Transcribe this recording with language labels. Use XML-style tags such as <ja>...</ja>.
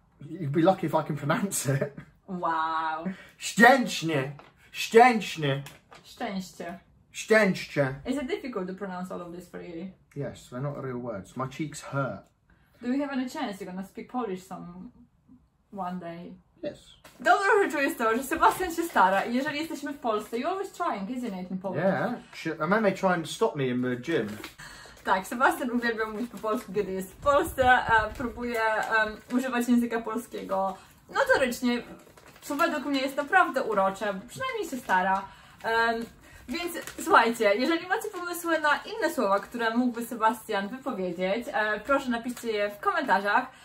<en>You'd be lucky if I can pronounce it. Wow.</en> <pl>Szczęśnie. Szczęśnie. Szczęście. Szczęście.</pl> <en>Is it difficult to pronounce all of this for you? Yes, they're not real words. My cheeks hurt. Do we have any chance you're gonna speak Polish some one day? Yes.</en> <pl>Dobrą rzeczą jest to, że Sebastian się stara i jeżeli jesteśmy w Polsce,</pl> <en>you're always trying, isn't it, in Polish? Yeah, a man may try and stop me in the gym.</en> <pl>Tak, Sebastian uwielbia mówić po polsku, kiedy jest w Polsce, próbuje używać języka polskiego notorycznie, co według mnie jest naprawdę urocze, przynajmniej się stara. Więc słuchajcie, jeżeli macie pomysły na inne słowa, które mógłby Sebastian wypowiedzieć, proszę napiszcie je w komentarzach.</pl>